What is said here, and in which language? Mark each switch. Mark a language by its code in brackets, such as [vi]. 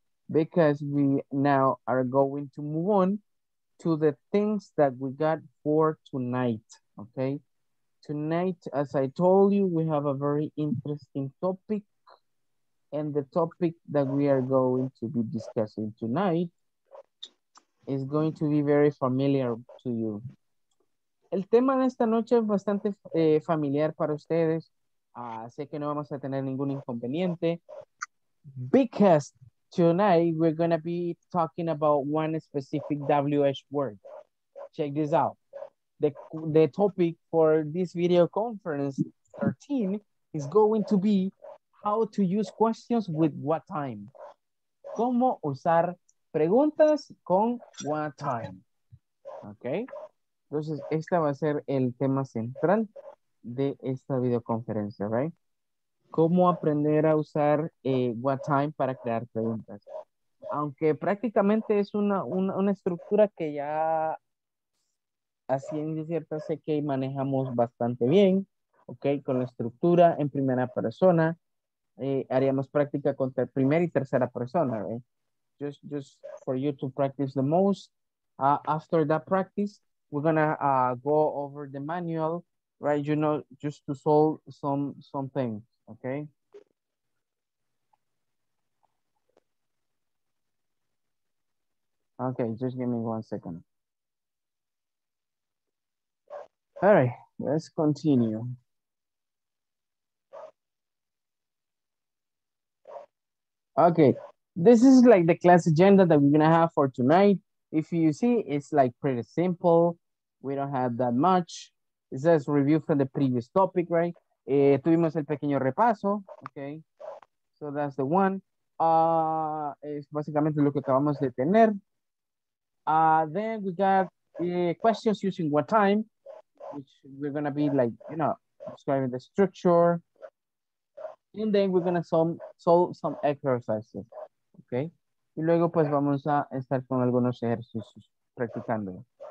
[en] Because we now are going to move on to the things that we got for tonight, okay? Tonight, as I told you, we have a very interesting topic. And the topic that we are going to be discussing tonight is going to be very familiar to you. [es] El tema de esta noche es bastante familiar para ustedes. Sé que no vamos a tener ningún inconveniente. [en] Because tonight we're going to be talking about one specific WH word. Check this out. The topic for this video conference 13 is going to be how to use questions with what time. [es] ¿Cómo usar preguntas con what time? Okay. Entonces, este va a ser el tema central de esta videoconferencia, [en] right? [es] ¿Cómo aprender a usar what time para crear preguntas? Aunque prácticamente es una estructura que ya a ciencia cierta sé que manejamos bastante bien, ¿ok? Con la estructura en primera persona. Haríamos práctica con primera y tercera persona, ¿eh? [en] Just for you to practice the most. After that practice, we're going to go over the manual, right? You know, just to solve some things, okay? Okay, just give me 1 second. All right, let's continue. Okay, this is like the class agenda that we're going to have for tonight. If you see, it's like pretty simple. We don't have that much. It says review from the previous topic, right? [es] Tuvimos el pequeño repaso, [en] okay? So that's the one. [es] Es básicamente lo que acabamos de tener. [en] Then we got questions using what time, which we're going to be like, you know, describing the structure. And then we're going to solve some exercises, okay? [es] Y luego pues vamos a estar con algunos ejercicios practicando.